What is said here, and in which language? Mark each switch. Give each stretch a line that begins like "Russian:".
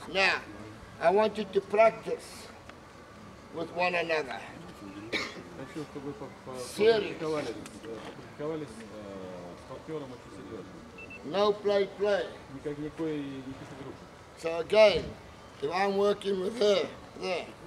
English: Now, I want you to practice with one another.
Russian: Хочу, чтобы вы практиковались с партнером очень серьезно.
English: No play.
Russian: Никакой игры.
English: So again, if I'm working with her, there.